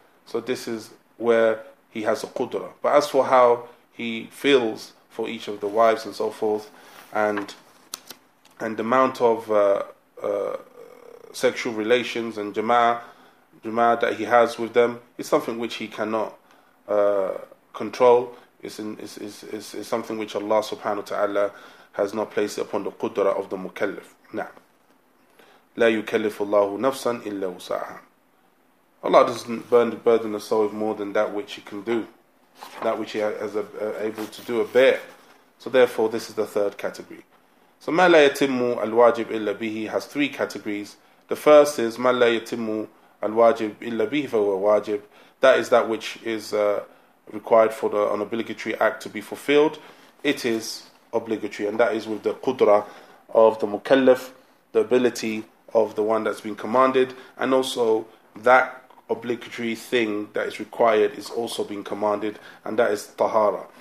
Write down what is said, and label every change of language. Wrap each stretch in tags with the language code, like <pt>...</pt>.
<en>So this is where he has a qudra. But as for how he feels for each of the wives and so forth, and the amount of sexual relations and jama'ah that he has with them, is something which he cannot control. It's something which Allah subhanahu wa ta'ala has not placed upon the qudra of the mukallif. Na'am.</en> <ar>لا يكلف الله نفسا إلا وسعها.</ar> <en>Allah doesn't burden the soul with more than that which he can do, that which he has able to do a bear. So therefore, this is the third category. So</en> <ar>مَا لَا يَتِمُّ الْوَاجِبِ إِلَّا بِهِ</ar> <en>has three categories. The first is</en> <ar>مَا لَا يَتِمُّ الْوَاجِبِ إِلَّا بِهِ فَهُوَ وَاجِبِ.</ar> <en>That is that which is required for an obligatory act to be fulfilled. It is obligatory, and that is with the qudra of the mukallaf, the ability of the one that's been commanded, and also that obligatory thing that is required is also being commanded, and that is tahara.</en>